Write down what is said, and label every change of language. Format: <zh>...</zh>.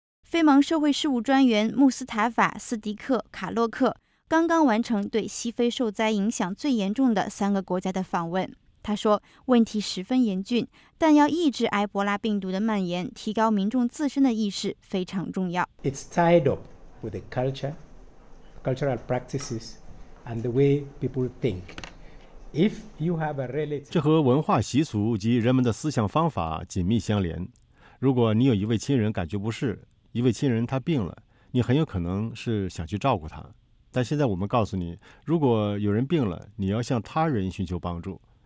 <zh>非盟社会事务专员穆斯塔法·斯迪克·卡洛克刚刚完成对西非受灾影响最严重的3个国家的访问。他说，问题十分严峻，但要抑制埃博拉病毒的蔓延，提高民众自身的意识非常重要。</zh> <en>It's tied up with the culture, cultural practices. And the way people think. If you have a relative,</en> <zh>这和文化习俗及人们的思想方法紧密相连。如果你有一位亲人感觉不适，一位亲人他病了，你很有可能是想去照顾他。但现在我们告诉你，如果有人病了，你要向他人寻求帮助。</zh>